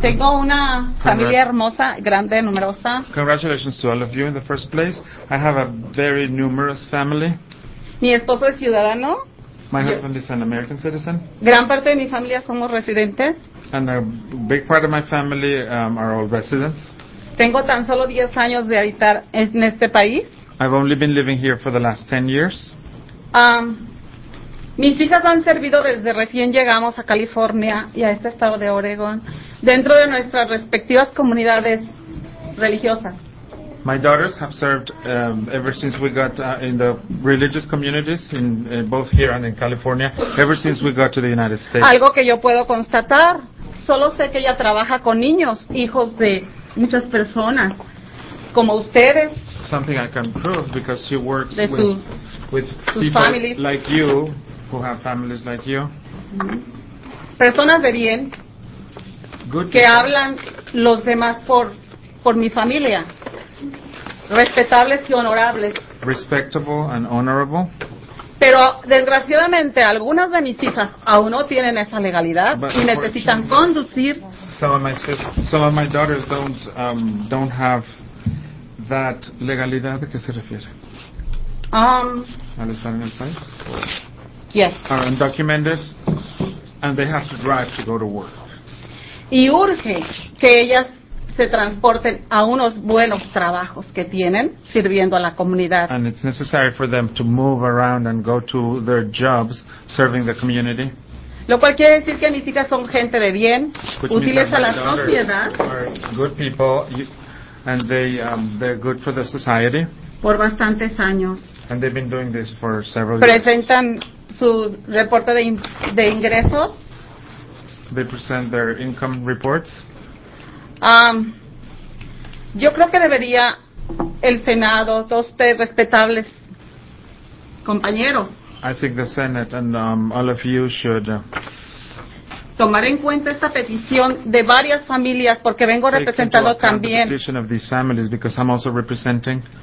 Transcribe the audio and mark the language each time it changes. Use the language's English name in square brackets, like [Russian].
[Spanish] Tengo una familia hermosa, grande, numerosa. [English] Congratulations to all of you in the first place. I have a very numerous family. [Spanish] Mi esposo es ciudadano. [English] My husband is an American citizen. [Spanish] Gran parte de mi familia somos residentes. [English] And a big part of my family are all residents. [Spanish] Tengo tan solo 10 años de habitar en este país. [English] I've only been living here for the last 10 years. [Spanish] Mis hijas han servido desde recién llegamos a California y a este estado de Oregon dentro de nuestras respectivas comunidades religiosas. [English] My daughters have served ever since we got in the religious communities in both here and in California, ever since we got to the United States. [Spanish] Algo que yo puedo constatar, solo sé que ella trabaja con niños, hijos de muchas personas, como ustedes. [English] Something I can prove because she works with people families. Like you, who have families like you. [Spanish] Personas de bien. [English] Good [Spanish] que [English] people. [Spanish] Hablan los demás por mi familia. Respetables y honorables. [English] Respectable and honorable. [Spanish] Pero desgraciadamente algunas de mis hijas aún no tienen esa legalidad [English] But [Spanish] y necesitan conducir. [English] Some of my daughters don't have that legalidad, [Spanish] ¿a qué se refiere? ¿Al estar en el país? [English] Yes. Are undocumented and they have to drive to go to work. [Spanish] Y urge que ellas se transporten a unos buenos trabajos que tienen sirviendo a la comunidad. [English] And it's necessary for them to move around and go to their jobs serving the community. [Spanish] Lo cual quiere decir que mis hijas son gente de bien, útiles a la sociedad. [English] Good people. And they're good for the society. [Spanish] Por bastantes años. [English] And they've been doing this for several [Spanish] presentan [English] years. [Spanish] Presentan su reporte de ingresos. [English] They present their income reports. [Spanish] Yo creo que debería el Senado, todos ustedes respetables compañeros. [English] I think the Senate and all of you should... [Spanish] tomar en cuenta esta petición de varias familias porque vengo representando también [English] the petition of these families because I'm also representing